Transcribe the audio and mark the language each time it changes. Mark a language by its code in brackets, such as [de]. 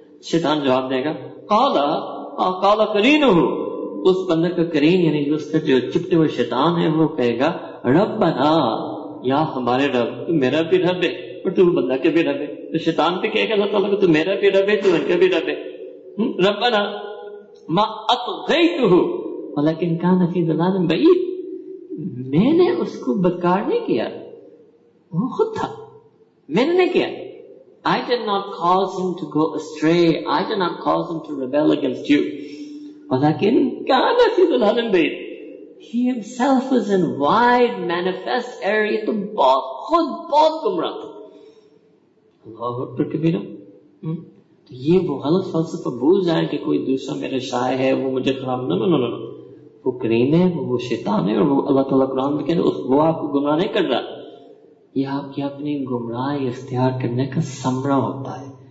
[ur] شیطان جواب دے گا, [ar] قال کرینہ, [ur] اس بندہ کا کریم یعنی اس کا جو چپٹے ہوئے شیطان ہے وہ کہے گا, ربنا, یا ہمارے رب, تو میرا بھی رب ہے اور تو بندہ کے بھی رب ہے. تو شیطان بھی کہے گا اللہ تعالیٰ کو, تو میرا بھی رب ہے, تو ان کا بھی رب ہے. [ar] ربنا ما اطغیتہ ولکن کان فی ضلال بعید, [ur] میں نے اس کو بدکار نہیں کیا, وہ خود تھا, میں نے کیا. [en] I did not cause him to go astray, I did not cause him to rebel against you, [ar] ولکن کان فی ضلال بعید, [en] he himself was in wide manifest error, [ur] یہ تو بہت خود بہت گمراہ تھا. [ar] اللہ اکبر کبیرہ. [ur] یہ وہ غلط فلسفہ بھول جائے کہ کوئی دوسرا میرے شاہ ہے وہ مجھے خراب, نہ وہ کریم ہے, وہ شیطان ہے, اور وہ اللہ تعالیٰ قرآن میں کہہ رہے وہ آپ کو گمراہ نہیں کر رہا. یہ آپ کی اپنی گمراہی اختیار کرنے کا ثمرہ ہوتا ہے.